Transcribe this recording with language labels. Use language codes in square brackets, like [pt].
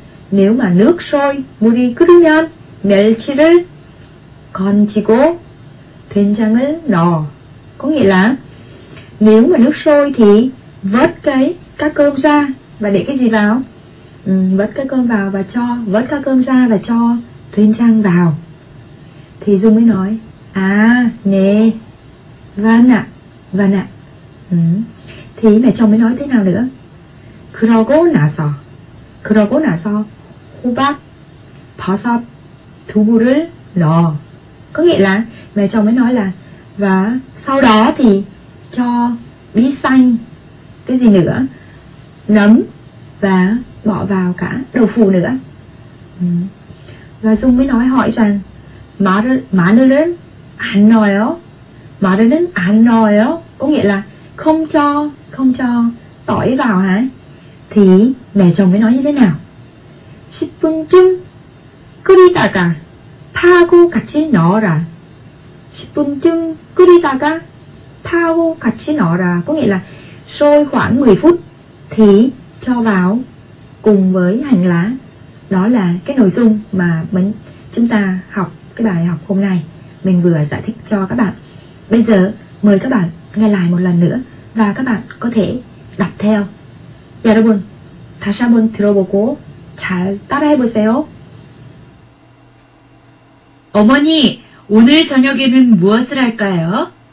[vi] Nếu mà nước sôi, [ko] 물이 끓으면 멸치를 건지고 된장을 넣어. [vi] Có nghĩa là nếu mà nước sôi thì vớt cái các cơm ra và để cái gì vào? Vớt các cơm vào và cho, vớt các cơm ra và cho 된장 vào. Thì Dung mới nói, à, nè, vâng ạ, vâng ạ. Thì mẹ chồng mới nói thế nào nữa? [ko] 그러고 나서, 그러고 나서 호박, 버섯, 두부를 넣어. [vi] Có nghĩa là mẹ chồng mới nói là và sau đó thì cho bí xanh, cái gì nữa, nấm và bỏ vào cả đậu phụ nữa. Và Dung mới nói hỏi rằng [ko] 마늘은 안 넣어요? 마늘은 안 넣어요? [vi] Có nghĩa là không cho tỏi vào hả? Thì mẹ chồng mới nói như thế nào? [ko] 10분쯤 끓이다가 파하고 같이 넣어라. 10분쯤 끓이다가 파하고 같이 넣어라. [vi] Có nghĩa là sôi khoảng 10 phút thì cho vào cùng với hành lá. Đó là cái nội dung mà chúng ta học cái bài học hôm nay mình vừa giải thích cho các bạn. Bây giờ mời các bạn nghe lại một lần nữa và các bạn có thể đọc theo. [ko] 여러분, 다시 한번 들어보고 잘 따라해보세요. 어머니, 오늘 저녁에는 무엇을 할까요?